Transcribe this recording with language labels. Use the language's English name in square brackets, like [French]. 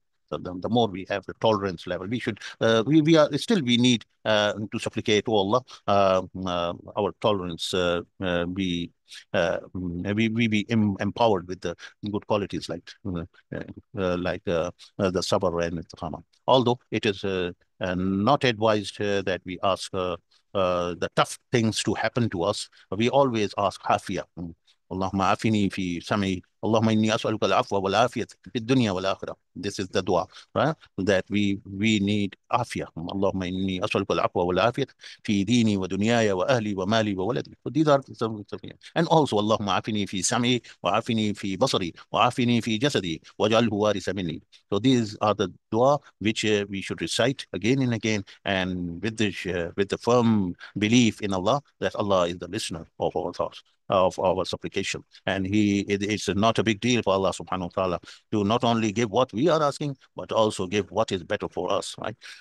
[English] So the more we have the tolerance level, we should we need to supplicate to Allah our tolerance be empowered with the good qualities like the sabr and istiqama. Although it is not advised that we ask the tough things to happen to us, we always ask hafiya. [Arabic] اللهم عافني في سمعي اللهم إني أسألك العفو والعافية في الدنيا والآخرة. [English] This is the dua, right? That we need afia. [Arabic] اللهم إني أسألك العفو والعافية في ديني ودنياي وأهلي ومالي وولدي. [English] These are some. And also [Arabic] اللهم عافني في سمعي وعافني في بصري وعافني في جسدي وجعله وارث مني. [English] So these are the dua which we should recite again and again, and with the firm belief in Allah, that Allah is the listener of our thoughts, of our supplication, and it's not a big deal for Allah subhanahu wa ta'ala to not only give what we are asking but also give what is better for us, right?